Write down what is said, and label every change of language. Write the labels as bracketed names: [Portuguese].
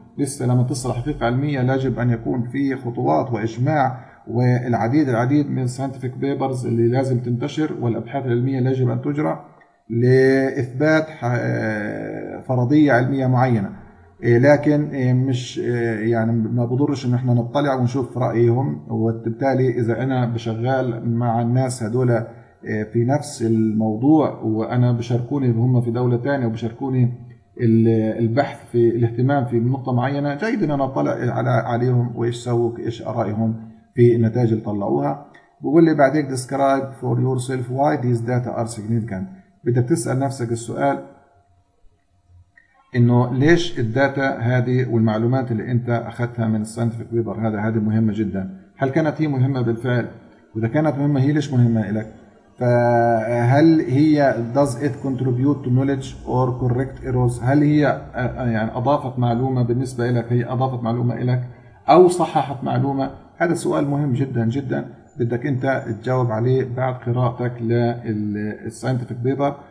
[Arabic] لسه لما تصل حقيقة علمية لاجب أن يكون في خطوات وإجماع والعديد العديد من scientific papers اللي لازم تنتشر، والأبحاث العلمية لاجب أن تجرى لإثبات فرضية علمية معينة، لكن مش يعني ما بضرش إن احنا نطلع ونشوف رأيهم، وبالتالي إذا أنا بشغال مع الناس هدول في نفس الموضوع وأنا بشاركوني هم في دولة تانية وبشاركوني البحث في الاهتمام في نقطة معينة، جيد أن أنا أطلع على عليهم وإيش سووا إيش أرائهم في النتائج اللي طلعوها. بقول لي بعدين [English] describe for yourself why these data are significant. [Arabic] بدك تسأل نفسك السؤال إنه ليش الداتا هذه والمعلومات اللي أنت أخذتها من scientific paper هذه مهمة جدا. هل كانت هي مهمة بالفعل؟ وإذا كانت مهمة هي ليش مهمة إليك؟ فهل هي [English] does it contribute to knowledge or correct errors؟ [Arabic] هل هي يعني أضافت معلومة بالنسبة إليك؟ هي أضافت معلومة إليك أو صححت معلومة؟ هذا سؤال مهم جدا جدا بدك أنت تجاوب عليه بعد قراءتك للscientific paper.